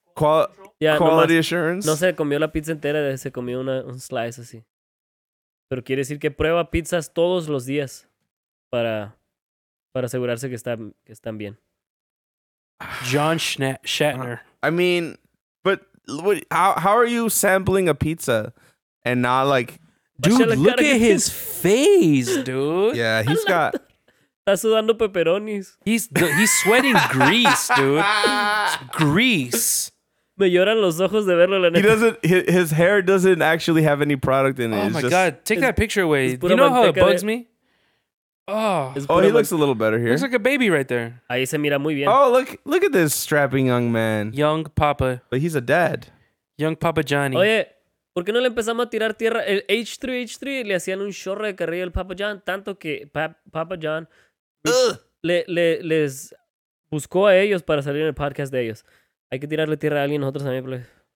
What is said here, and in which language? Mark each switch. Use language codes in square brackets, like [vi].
[en] Quality assurance. [es] No se comió la pizza entera, se comió un slice así. Pero quiere decir que prueba pizzas todos los días para asegurarse que están bien. [en] John Shatner. I mean, How are you sampling a pizza and not like, dude? Look at his face, dude. Yeah, he's got. [es] Está sudando pepperonis. [en] He's sweating grease, dude. Grease. [es] Me lloran los ojos de verlo. [en] He doesn't. His hair doesn't actually have any product in it. Oh, it's my just, God. Take that picture away. You know how it bugs me? Oh. Oh, he looks a little better here. Looks like a baby right there. [es] Ahí se mira muy bien. [en] Oh, look at this strapping young man. Young Papa. But he's a dad. Young Papa Johnny. [es] Oye, ¿por qué no le empezamos a tirar tierra? El H3 le hacían un chorro de carrillo al Papa John, tanto que Papa John... Les buscó a ellos para salir en el podcast de ellos. Hay que tirarle tierra a alguien nosotros también.